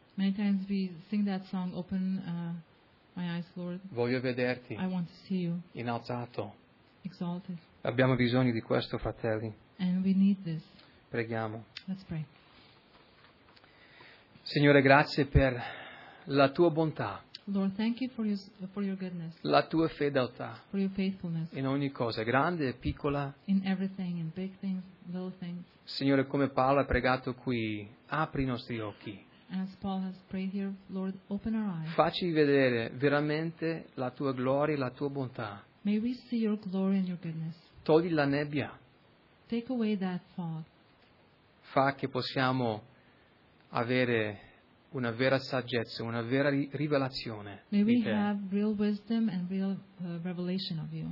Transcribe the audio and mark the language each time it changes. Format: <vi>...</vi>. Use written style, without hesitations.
<en>Many times we sing that song, open my eyes, Lord.</en> <it>Voglio vederti.</it> <en>I want to see you.</en> <it>Innalzato.</it> <en>Exalted.</en> <it>Abbiamo bisogno di questo, fratelli.</it> <en>And we need this.</en> <it>Preghiamo.</it> <en>Let's pray.</en> <it>Signore, grazie per la tua bontà.</it> <en>Lord, thank you for your goodness.</en> <it>La tua fedeltà.</it> <en>For your faithfulness.</en> <it>In ogni cosa, grande e piccola.</it> <en>In everything, in big things, little things.</en> <it>Signore, come Paolo ha pregato qui, apri i nostri occhi.</it> <en>As Paul has prayed here, Lord, open our eyes.</en> <it>Facci vedere veramente la tua gloria e la tua bontà.</it> <en>May we see your glory and your goodness.</en> <it>Togli la nebbia.</it> <en>Take away that fog.</en> <it>Fa che possiamo avere una vera saggezza, una vera rivelazione.</it> <en>May we have real wisdom and real revelation of you.</en>